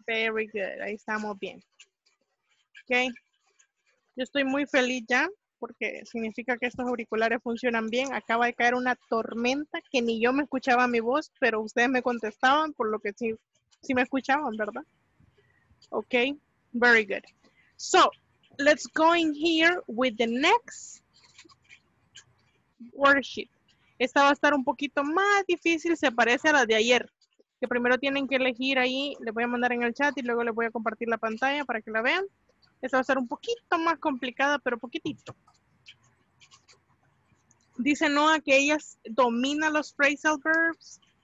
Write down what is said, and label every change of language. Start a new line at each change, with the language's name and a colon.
English: Very good,
Spanish: ahí estamos bien. Ok. Yo estoy muy feliz ya, porque significa que estos auriculares funcionan bien. Acaba de caer una tormenta que ni yo me escuchaba mi voz, pero ustedes me contestaban, por lo que sí me escuchaban, ¿verdad?
English: Ok, very good. So, let's go in here with the next worksheet.
Spanish: Esta va a estar un poquito más difícil, se parece a la de ayer. Que primero tienen que elegir ahí, les voy a mandar en el chat y luego les voy a compartir la pantalla para que la vean. Esta va a ser un poquito más complicada, pero poquitito. Dice Noah que ella domina los phrasal verbs.